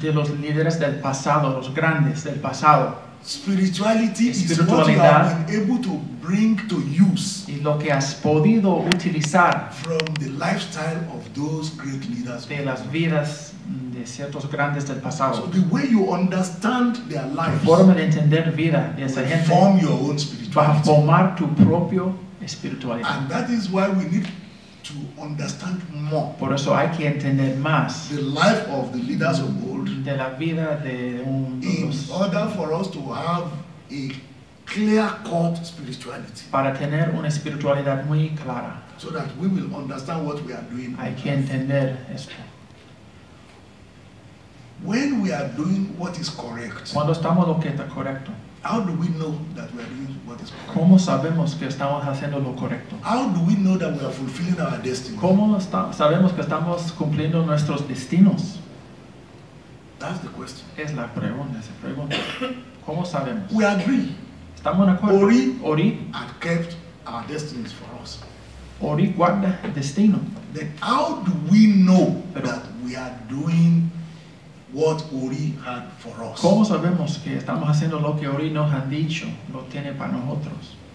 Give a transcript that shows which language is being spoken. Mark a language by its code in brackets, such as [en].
[es] De los líderes del pasado, los grandes del pasado. [en] Spirituality is what you have been able to bring to use. [es] Y lo que has podido utilizar. [en] From the lifestyle of those great leaders. [es] De las vidas de ciertos grandes del pasado. [en] So the way you understand their lives, [es] la forma de entender vida de esa gente, [en] form your own spirituality. [es] Va a formar tu propio espiritualidad. [en] And that is why we need to understand more. [es] Por eso hay que entender más. [en] The life of the leaders of old. [es] De la vida de un. [en] In order for us to have a clear-cut spirituality. [es] Para tener una espiritualidad muy clara. [en] So that we will understand what we are doing. [es] Hay que entender esto. [en] When we are doing what is correct, [es] cuando estamos lo que está correcto, [en] how do we know that we are doing what is correct? [es] ¿Cómo sabemos que estamos haciendo lo correcto? [en] How do we know that we are fulfilling our destiny? [es] ¿Cómo sabemos que estamos cumpliendo nuestros destinos? [en] That's the question. [es] Es la pregunta, esa pregunta. ¿Cómo sabemos? [en] We agree. [es] Estamos de acuerdo. [en] Ori had kept our destinies for us. [es] Ori guarda el destino. [en] Then how do we know that we are doing what Ori had for us? [es] ¿Cómo sabemos que estamos haciendo lo que Ori nos ha dicho, lo tiene para nosotros?